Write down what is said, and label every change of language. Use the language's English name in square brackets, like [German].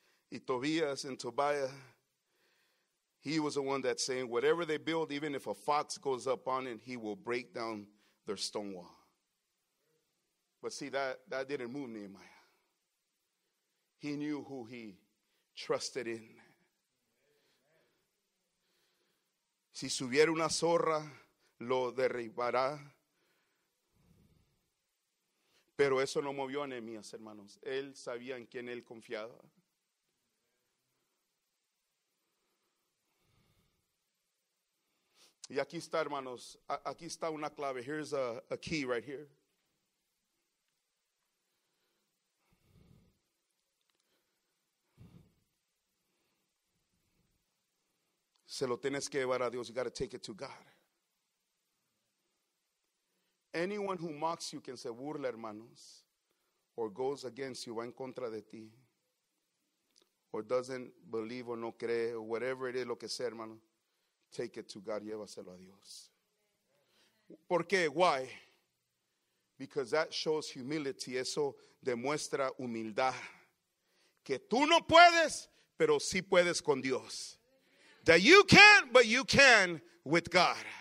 [English] Y Tobías and Tobiah, he was the one that saying, whatever they build, even if a fox goes up on it, he will break down their stone wall. But see, that didn't move Nehemiah. He knew who he trusted in. [Spanish] Si subiera una zorra, lo derribará. Pero eso no movió a Nehemías, hermanos. Él sabía en quién él confiaba. Y aquí está, hermanos. Aquí está una clave. [English] Here's a key right here. [Spanish] Se lo tienes que llevar a Dios. [English] You got to take it to God. Anyone who mocks you, [Spanish] quien se burla, hermanos, [English] or goes against you, [Spanish] va en contra de ti, [English] or doesn't believe or [Spanish] no cree, [English] or whatever it is, [Spanish] lo que sea, hermano, [English] take it to God. [Spanish] Llévaselo a Dios. ¿Por qué? [English] Why? Because that shows humility. [Spanish] Eso demuestra humildad. Que tú no puedes, pero sí puedes con Dios. [English] That you can't, but you can with God.